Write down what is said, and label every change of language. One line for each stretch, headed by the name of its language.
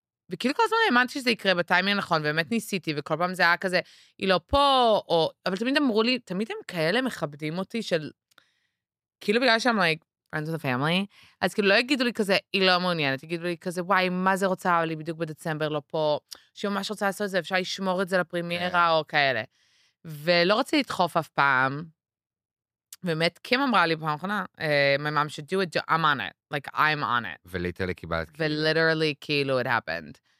Hebrew: וכאילו כל הזמן האמנתי שזה יקרה בטיימינג הנכון, ובאמת ניסיתי, וכל פעם זה היה כזה, היא לא פה, אבל תמיד אמרו לי, תמיד הם כאלה מכבדים אותי של, כאילו בגלל שהם
English: like, friends of the family,
Hebrew: אז כאילו לא יגידו לי כזה, היא לא מעוניינת, יגידו לי כזה, וואי, מה זה רוצה, אבל היא בדיוק בדצמבר לא פה, שהיא ממש רוצה לעשות את זה, אפשר לשמור את זה לפרימירה, או כאלה. ולא רוצה לדחוף אף פעם, באמת, קים אמרה לי פעם אחרונה,
English: my mom should do it, I'm on it, like, I'm on it.
Hebrew: וליטרלי קיבלת. וליטרלי, כאילו,
English: it happened.